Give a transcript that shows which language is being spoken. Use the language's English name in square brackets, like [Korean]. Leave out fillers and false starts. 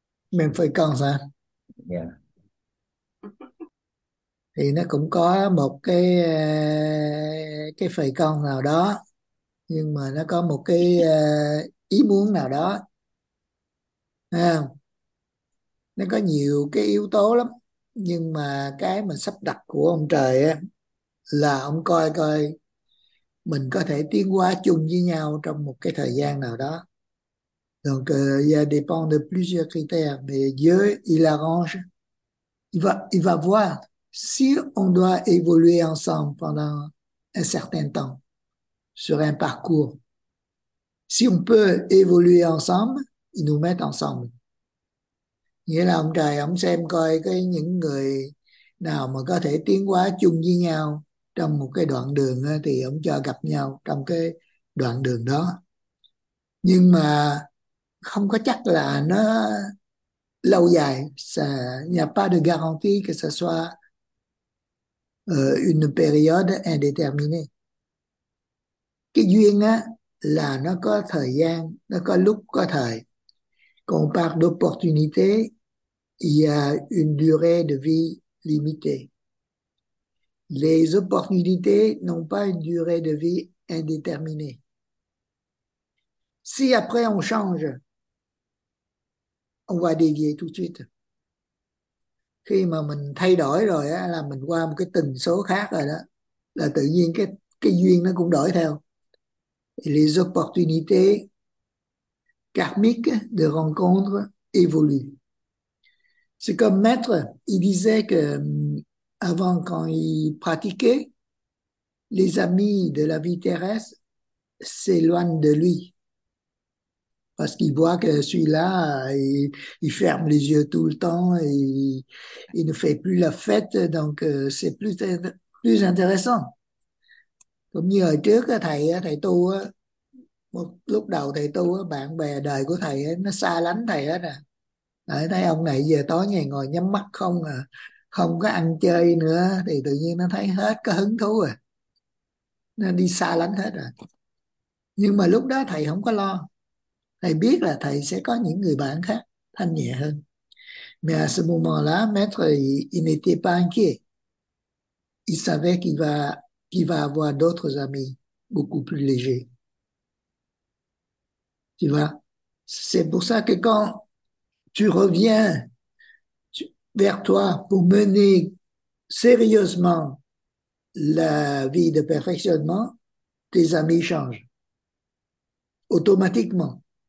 [Vietnamese] mình phải cần sao thì nó cũng có một cái phải con nào đó, nhưng mà nó có một cái ý muốn nào đó, thấy không? Nó có nhiều cái yếu tố lắm, nhưng mà cái mà sắp đặt của ông trời á là ông coi coi mình có thể tiến hóa chung với nhau trong một cái thời gian nào đó. [French] Donc, il dépend de plusieurs critères, mais Dieu, il arrange. Il va voir si on doit évoluer ensemble pendant un certain temps sur un parcours. Si on peut évoluer ensemble, ils nous mettent ensemble. [Vietnamese] Nghĩa là ông trời ông xem coi cái những người nào mà có thể tiến hóa chung với nhau trong một cái đoạn đường thì ông cho gặp nhau trong cái đoạn đường đó. Nhưng mà không có chắc là nó lâu dài, [French] il n'y a pas de garantie que ce soit une période indéterminée. [Vietnamese] Cái duyên á là nó có thời gian, nó có lúc có thời. [French] Còn par d'opportunité, il y a une durée de vie limitée. Les opportunités n'ont pas une durée de vie indéterminée. Si après on change, on va dévier tout de suite. [Vietnamese] Khi mà mình thay đổi rồi á, là mình qua một cái tần số khác rồi đó, là tự nhiên cái duyên nó cũng đổi theo. [French] Les opportunités karmiques de rencontre évoluent. C'est comme maître, il disait que avant, quand il pratiquait, les amis de la vie terrestre s'éloignent de lui. Parce qu'il voit que celui-là, il ferme les yeux tout le temps, il ne fait plus la fête, donc c'est plus intéressant. [Vietnamese] Cũng như hồi trước thầy tu, một lúc đầu thầy tu, bạn bè đời của thầy nó xa lánh thầy hết nè. Thấy ông này giờ tối ngày ngồi nhắm mắt không à, không có ăn chơi nữa, thì tự nhiên nó thấy hết cái hứng thú rồi. Nó đi xa lánh hết rồi. Nhưng mà lúc đó thầy không có lo. Thầy biết là thầy sẽ có những người bạn khác thanh nhẹ hơn. [French] Mais à ce moment-là, maître, il n'était pas inquiet. Il savait qu'il va avoir d'autres amis beaucoup plus légers. Tu vois? C'est pour ça que quand tu reviens vers toi pour mener sérieusement la vie de perfectionnement, tes amis changent. Automatiquement.